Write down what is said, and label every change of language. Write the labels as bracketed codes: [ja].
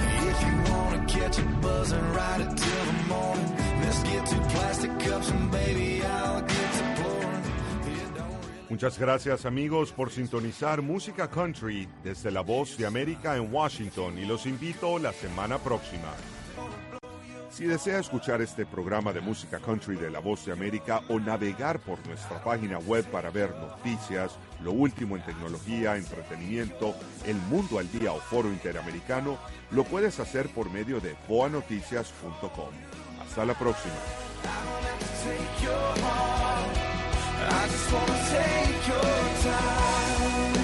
[en] If you want to catch a buzz and ride it till the morning, let's get two plastic cups and baby I'll get to pouring. [es] Muchas gracias, amigos, por sintonizar Música Country desde La Voz de América en Washington, y los invito la semana próxima. Si desea escuchar este programa de Música Country de La Voz de América o navegar por nuestra página web para ver noticias, lo último en tecnología, entretenimiento, el mundo al día o foro interamericano, lo puedes hacer por medio de boanoticias.com. Hasta la próxima. [en] I just wanna take your time.